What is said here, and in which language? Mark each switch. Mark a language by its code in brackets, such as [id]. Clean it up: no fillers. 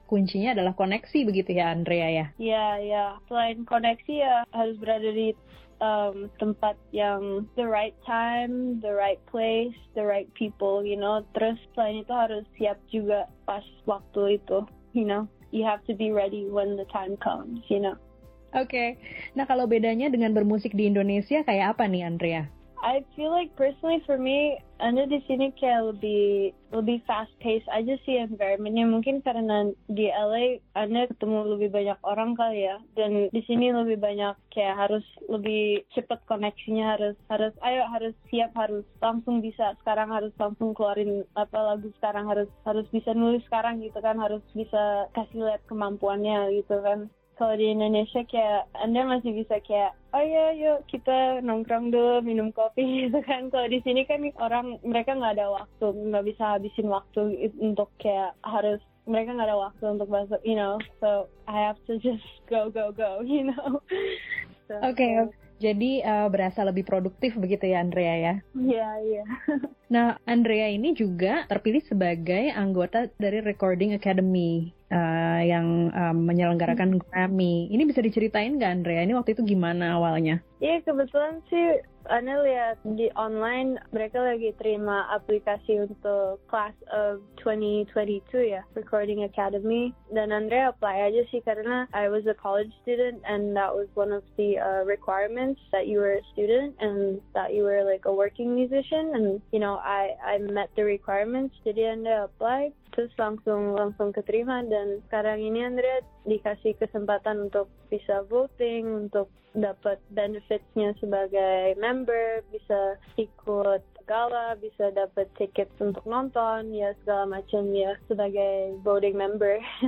[id] Kuncinya adalah koneksi begitu ya Andrea ya. Iya, selain koneksi ya harus berada di tempat yang [en] the right time, the right place, the right people, you know. [id] Terus selain itu harus siap juga pas waktu itu, [en] you know. You have to be ready when the time comes, you know. [id] Okay. Nah, kalau bedanya dengan bermusik di Indonesia kayak apa nih, Andrea? [en] I feel like personally for me, [id] Anda di sini kayak lebih [en] fast paced. I just see [id] environment-nya mungkin karena di LA Anda ketemu lebih banyak orang kali ya, dan di sini lebih banyak kayak harus lebih cepat koneksinya, harus siap, harus langsung bisa sekarang, harus langsung keluarin apa lagu sekarang, harus bisa nulis sekarang gitu kan, harus bisa kasih lihat kemampuannya gitu kan. Kalau di Indonesia kayak Anda masih bisa kayak, oh iya, yuk kita nongkrong dulu, minum kopi gitu kan. Kalau di sini kan orang, mereka nggak ada waktu, nggak bisa habisin waktu untuk kayak harus, mereka nggak ada waktu untuk masuk, [en] you know. So, I have to just go, you know. [id] Jadi berasa lebih produktif begitu ya Andrea ya? Iya. Nah, Andrea ini juga terpilih sebagai anggota dari Recording Academy yang menyelenggarakan Grammy. Ini bisa diceritain nggak Andrea? Ini waktu itu gimana awalnya? Iya, kebetulan sih Anda lihat di online mereka lagi terima aplikasi untuk Class of 2022 ya, Recording Academy. [en] Dan Andrea apply aja sih karena I was a college student and that was one of the requirements that you were a student and that you were like a working musician. And you know, I met the requirements, [id] jadi Andrea apply. Terus langsung keterima, dan sekarang ini Andrea dikasih kesempatan untuk bisa voting, untuk dapat benefitsnya sebagai member, bisa ikut gala, bisa dapat tiket untuk nonton, ya segala macam ya sebagai voting member.